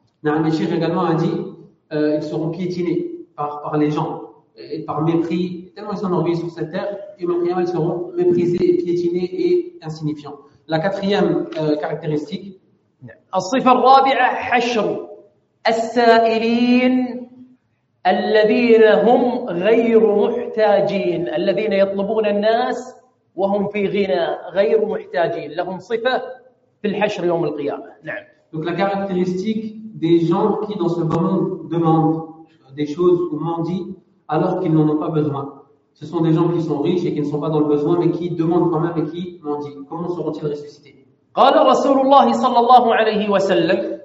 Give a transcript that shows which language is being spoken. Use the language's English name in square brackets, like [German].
[Arabic] نعم, [French] le cheikh également a dit ils seront piétinés par les gens et par mépris, tellement ils sont orgueillés sur cette terre, et même ils seront méprisés, piétinés et insignifiants. La quatrième caractéristique. [Arabic] الصفة الرابعة حشر السائلين الذين هم غير محتاجين الذين يطلبون الناس وهم في غنى غير محتاجين لهم صفة في الحشر يوم القيامة. نعم. [French] Donc la caractéristique des gens qui dans ce moment demandent des choses ou mendient alors qu'ils n'en ont pas besoin. Ce sont des gens qui sont riches et qui ne sont pas dans le besoin mais qui demandent quand même et qui mendient. Comment seront-ils ressuscités ? [Arabic] قال رسول الله صلى الله عليه وسلم.